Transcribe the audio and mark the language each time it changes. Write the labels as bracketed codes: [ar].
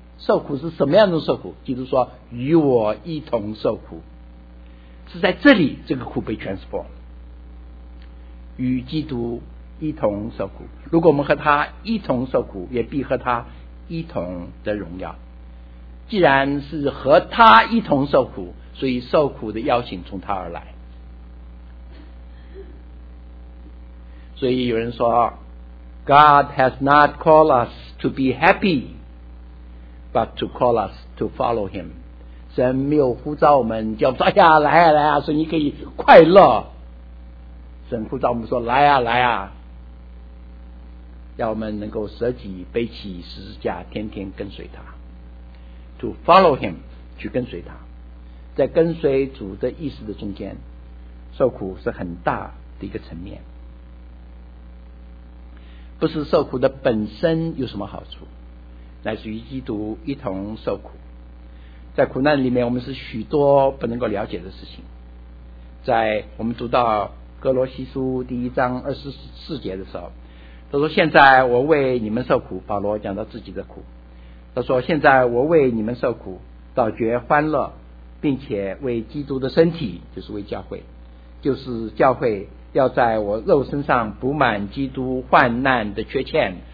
[zh] 受苦是什么样的受苦？基督说与我一同受苦，是在这里这个苦被 transform， 与基督一同受苦。如果我们和他一同受苦，也必和他一同得荣耀。既然是和他一同受苦，所以受苦的邀请从他而来。所以有人说 [en] God has not called us to be happy, but to call us to follow him. [zh] 神没有呼召我们叫我们说哎呀来啊来啊所以你可以快乐。神呼召我们说来啊来啊，要我们能够舍己背起十字架天天跟随他。 [en] To follow him, [zh] 去跟随他。在跟随主的意思的中间，受苦是很大的一个层面。不是受苦的本身有什么好处，乃是与基督一同受苦。在苦难里面，我们是许多不能够了解的事情。在我们读到哥罗西书第一章二十四节的时候，他说现在我为你们受苦，保罗讲到自己的苦，他说现在我为你们受苦倒觉欢乐，并且为基督的身体，就是为教会，就是教会要在我肉身上补满基督患难的缺欠。